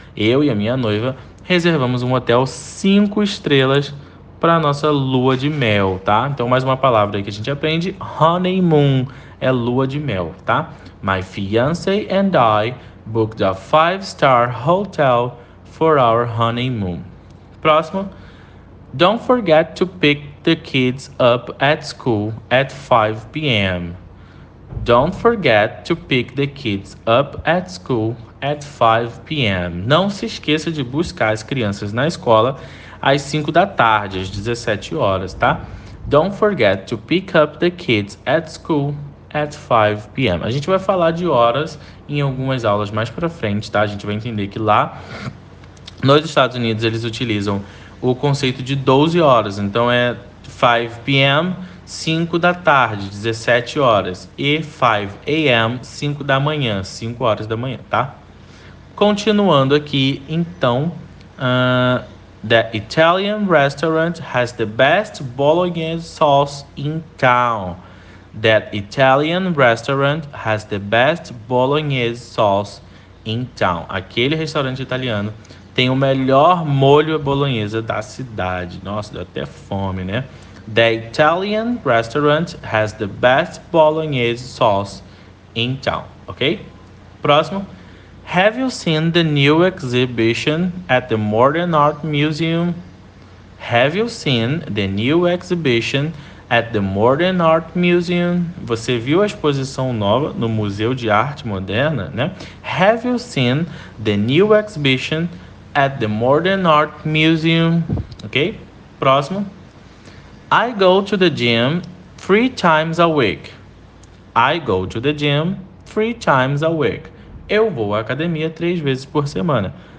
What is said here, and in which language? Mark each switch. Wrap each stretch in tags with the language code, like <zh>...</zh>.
<pt>Eu e a minha noiva reservamos um hotel 5 estrelas para nossa lua de mel, tá? Então, mais uma palavra aí que a gente aprende: honeymoon é lua de mel, tá?</pt> <en>My fiance and I booked a five-star hotel for our honeymoon.</en> <pt>Próximo.</pt> <en>Don't forget to pick the kids up at school at 5 p.m. Don't forget to pick the kids up at school at 5 p.m.</en> <pt>Não se esqueça de buscar as crianças na escola às 5 da tarde, às 17 horas, tá?</pt> <en>Don't forget to pick up the kids at school at 5 p.m.</en> <pt>A gente vai falar de horas em algumas aulas mais para frente, tá? A gente vai entender que lá nos Estados Unidos eles utilizam o conceito de 12 horas. Então é 5 p.m., 5 da tarde, 17 horas. E 5 a.m., 5 da manhã, 5 horas da manhã, tá? Continuando aqui, então.</pt> <en>The Italian restaurant has the best bolognese sauce in town. That Italian restaurant has the best bolognese sauce in town.</en> <pt>Aquele restaurante italiano tem o melhor molho bolognese da cidade. Nossa, deu até fome, né?</pt> <en>The Italian restaurant has the best bolognese sauce in town. Ok?</en> <pt>Próximo.</pt> <en>Have you seen the new exhibition at the Modern Art Museum? Have you seen the new exhibition at the Modern Art Museum?</en> <pt>Você viu a exposição nova no Museu de Arte Moderna, né?</pt> <en>Have you seen the new exhibition at the Modern Art Museum? Ok?</en> <pt>Próximo.</pt> <en>I go to the gym 3 times a week. I go to the gym 3 times a week.</en> <pt>Eu vou à academia 3 vezes por semana.</pt>